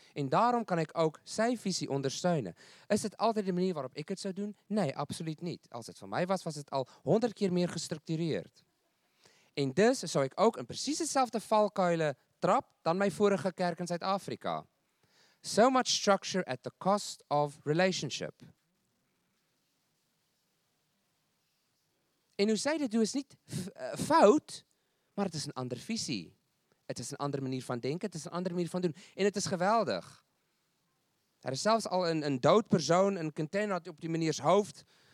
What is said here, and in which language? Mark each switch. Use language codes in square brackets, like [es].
[nl] En daarom kan ik ook zijn visie ondersteunen. Is het altijd de manier waarop ik het zou doen? Nee, absoluut niet. Als het van mij was, was het al 100 keer meer gestructureerd. En dus zou ik ook in precies dezelfde valkuilen trap dan mijn vorige kerk in Zuid-Afrika. [en] So much structure at the cost of relationship. [nl] En hoe zij dit doen is niet fout, maar het is een andere visie. Het is een andere manier van denken, het is een andere manier van doen. En het is geweldig. Er is zelfs al een dood persoon, een container had op die meneers hoofd.